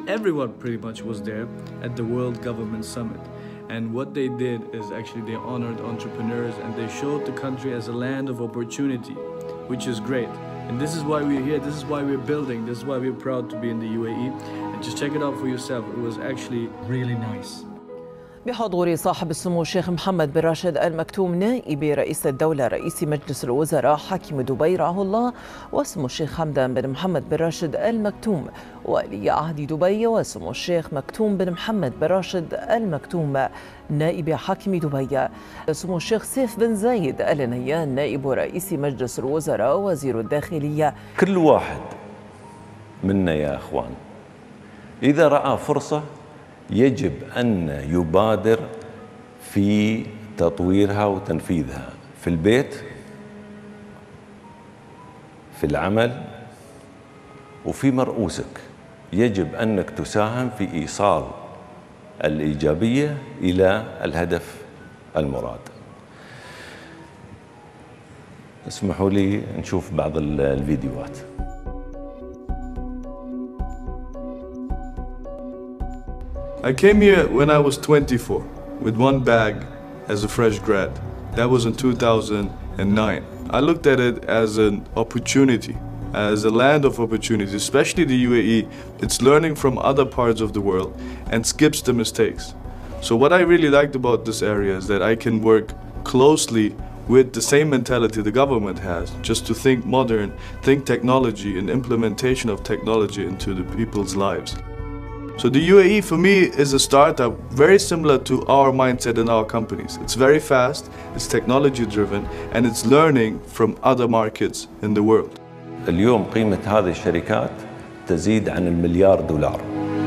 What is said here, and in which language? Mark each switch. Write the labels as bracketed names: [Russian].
[English] Everyone pretty much was there at the World Government Summit. And what they did is actually they honored entrepreneurs and they showed the country as a land of opportunity, which is great. And this is why we're here, this is why we're building, this is why we're proud to be in the UAE. And just check it out for yourself, it was actually really nice. [Arabic] بحضور صاحب السمو الشيخ محمد بن راشد المكتوم نائب رئيس الدولة رئيس مجلس الوزراء حاكم دبي رعاه الله وسمو الشيخ حمدان بن محمد بن راشد المكتوم ولي عهد دبي وسمو الشيخ مكتوم بن محمد بن راشد المكتوم نائب حاكم دبي سمو الشيخ سيف بن زايد آل نهيان نائب رئيس مجلس الوزراء وزير الداخلية كل واحد منا يا أخوان إذا رأى فرصة يجب أن يبادر في تطويرها وتنفيذها في البيت في العمل وفي مرؤوسك يجب أنك تساهم في إيصال الإيجابية إلى الهدف المراد اسمحوا لي نشوف بعض الفيديوهات [English] I came here when I was 24, with one bag as a fresh grad. That was in 2009. I looked at it as an opportunity, as a land of opportunity, especially the UAE. It's learning from other parts of the world and skips the mistakes. So what I really liked about this area is that I can work closely with the same mentality the government has, just to think modern, think technology and implementation of technology into the people's lives. So the UAE for me is a startup very similar to our mindset in our companies. It's very fast, it's technology driven, and it's learning from other markets in the world. [Arabic] اليوم قيمة هذه الشركات تزيد عن المليار دولار.